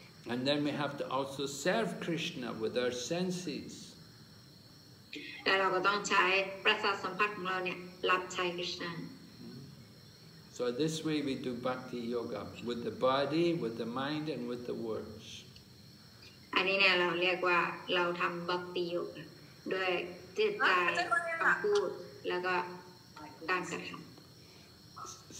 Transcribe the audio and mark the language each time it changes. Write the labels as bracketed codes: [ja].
[en] And then we have to also serve Krishna with our senses. [th] แต่เราก็ต้องใช้ประสาทสัมผัสของเราเนี่ยรับใช้คริสต์นั้น [en] So this way we do bhakti yoga with the body, with the mind, and with the words. [th] อันนี้เนี่ยเราเรียกว่าเราทำบัคติโยกด้วยจิตใจคำพูดแล้วก็การกระทำ